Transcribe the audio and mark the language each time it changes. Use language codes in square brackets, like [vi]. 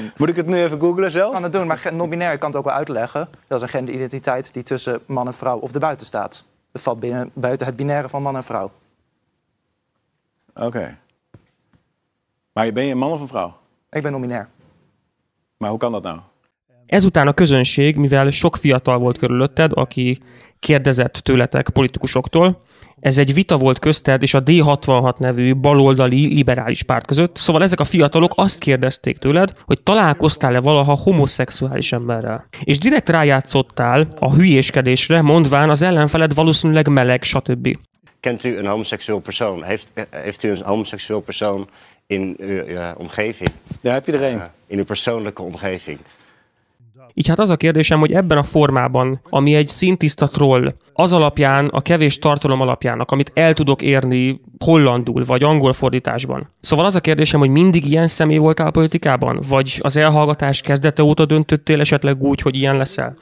[nl] Moet ik het nu even googlen zelf? Kan het doen, maar non-binair, ik kan het ook wel uitleggen. Dat is een genderidentiteit die tussen man en vrouw of erbuiten staat. Het valt binnen, buiten het binaire van man en vrouw. Oké. Maar ben je een man of een vrouw? Ik ben non-binair. Maar hoe kan dat nou? [hu] Ezután a közönség, mivel sok fiatal volt körülötted, aki kérdezett tőletek politikusoktól, ez egy vita volt közted és a D66 nevű baloldali liberális párt között, szóval ezek a fiatalok azt kérdezték tőled, hogy találkoztál-e valaha homoszexuális emberrel. És direkt rájátszottál a hülyéskedésre, mondván az ellenfeled valószínűleg meleg, stb. [nl] Kent u een homoseksuele persoon? Heeft u een homoseksuele persoon in uw omgeving? Daar heb je er een. In uw persoonlijke omgeving. [hu] Így hát az a kérdésem, hogy ebben a formában, ami egy szintiszta troll, az alapján, a kevés tartalom alapjának, amit el tudok érni hollandul vagy angol fordításban. Szóval az a kérdésem, hogy mindig ilyen személy voltál a politikában? Vagy az elhallgatás kezdete óta döntöttél esetleg úgy, hogy ilyen leszel?